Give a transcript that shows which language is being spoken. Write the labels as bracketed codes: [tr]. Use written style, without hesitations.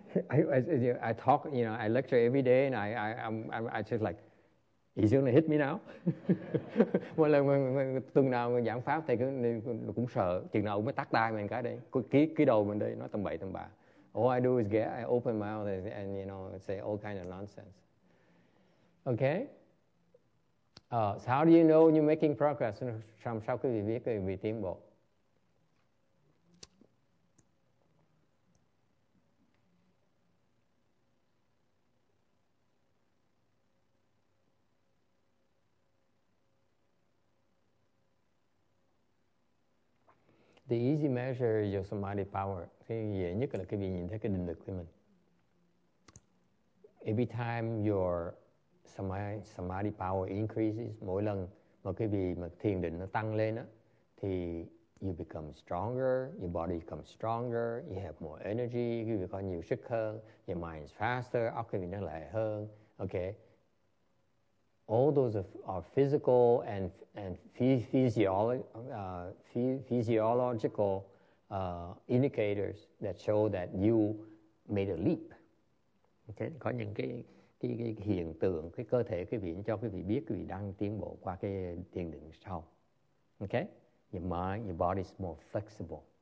[en] I talk, you know, I lecture every day, and I'm just like, he's gonna hit me now. [vi] Mỗi lần tuần nào giảng pháp thầy cũng sợ, chừng nào mới tắt tai mình cái đây, cái đầu mình đây nói tầm bậy tầm bạ. [en] All I do is I open my mouth and you know say all kind of nonsense. Okay. So how do you know you're making progress? [vi] Làm sao quý vị biết quý vị tiến bộ? [en] The easy measure is your samadhi power. [vi] Cái dễ nhất là cái việc nhìn thấy cái định lực của mình. [en] Every time your samadhi power increases, [vi] mỗi lần mà cái việc mà thiền định nó tăng lên á, thì [en] you become stronger, your body becomes stronger, you have more energy, you become [vi] nhiều sức hơn, [en] your mind is faster, occupy [vi] nó lại hơn, [en] okay? All those are physical and physiological indicators that show that you made a leap. [vi] Okay, có những cái hiện tượng cái cơ thể quý vị cho quý vị biết quý vị đang tiến bộ qua cái tiền đường sau. [en] Okay, your mind, your body is more flexible.